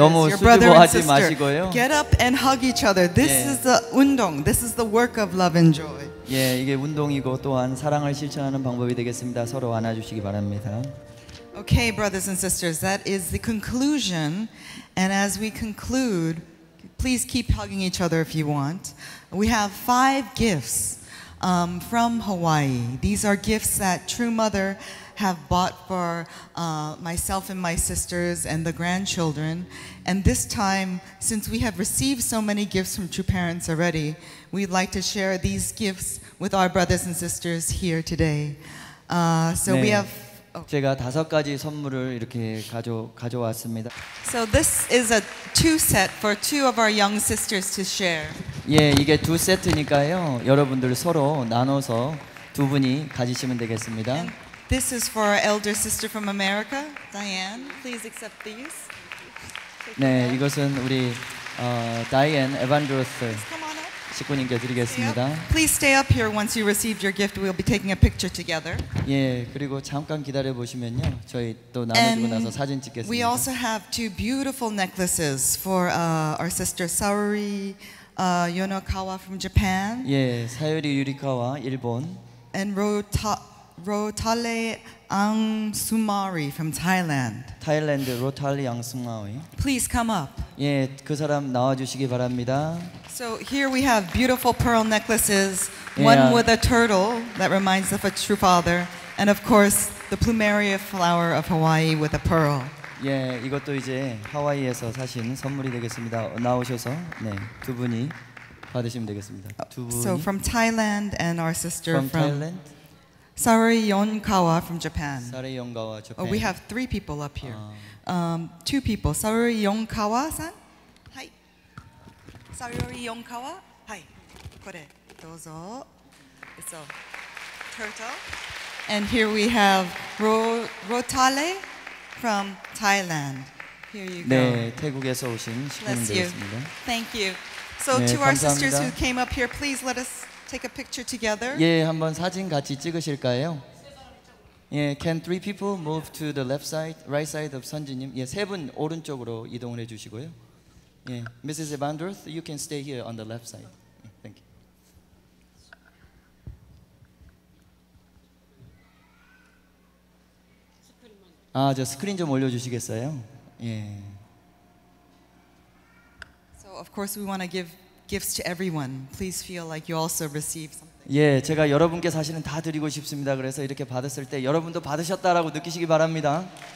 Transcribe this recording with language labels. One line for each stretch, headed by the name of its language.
English: your brother and sister.
Korean: 하지 마시고요.
English: Get up and hug each other. This 예. is the 운동. This is the work of love and joy.
Korean: 예, 이게 운동이고 또한 사랑을 실천하는 방법이 되겠습니다. 서로 안아주시기 바랍니다.
English: Okay, brothers and sisters, that is the conclusion. And as we conclude, please keep hugging each other if you want. We have five gifts from Hawaii. These are gifts that True Mother have bought for myself and my sisters and the grandchildren. And this time, since we have received so many gifts from True Parents already, we'd like to share these gifts with our brothers and sisters here today. So 네. we have... Oh.
Korean: 제가 다섯 가지 선물을 이렇게 가져왔습니다.
English: So this is a two set for two of our young sisters to share.
Korean: 예, 이게 두 세트니까요. 여러분들 서로 나눠서 두 분이 가지시면 되겠습니다.
English: And this is for our elder sister from America, Diane. Please accept these.
Korean: 네, 이것은 우리 다이앤 에반드로스 식구님께 드리겠습니다.
English: Please stay up here once you receive your gift. We'll be taking a picture together.
Korean: 예, 그리고 잠깐 기다려 보시면요. 저희 또 나눠주고 나서 사진 찍겠습니다.
English: We also have two beautiful necklaces for our sister Sayuri Yonokawa from Japan.
Korean: 예, 사유리 유리카와 일본.
English: And Rotale Ang Sumari from Thailand. Thailand Rotale Ang Sumari. Please come up.
Korean: 예, 그 사람 나와주시기 바랍니다.
English: So here we have beautiful pearl necklaces, one with a turtle that reminds of a true father, and of course the plumeria flower of Hawaii with a pearl.
Korean: 예, 이것도 이제 하와이에서 사신 선물이 되겠습니다. 나오셔서 네, 두 분이 받으시면 되겠습니다. 두 분이.
English: So from Thailand and our sister from Thailand. Sayuri Yonkawa from Japan. Sayuri Yonkawa, Japan. Oh, we have three people up here. Two people. Sayuri Yonkawa-san. Hi. Sayuri Yonkawa. Hi.
Japanese: Kore, dozo.
English: It's a turtle. And here we have Rotale from Thailand. Here you go.
Korean: 네, 태국에서 오신 식구님들이었습니다.
English: Thank you. So 네, to
Korean: 감사합니다.
English: Our sisters who came up here, please let us take a picture together.
Korean: 예, 한번 사진 같이 찍으실까요?
English: 예, can three people move to the left side, right side of 선지님?
Korean: 예, 세 분 오른쪽으로 이동을 해주시고요.
English: 예, Mrs. Evandroth, you can stay here on the left side. Thank you.
Korean: Ah, 저 스크린 좀 올려주시겠어요? 예.
English: So of course we want to give. Gifts to everyone. Please feel like you also receive something.
Korean: 예, 제가 여러분께 사실은 다 드리고 싶습니다. 그래서 이렇게 받았을 때 여러분도 받으셨다라고 느끼시기 바랍니다.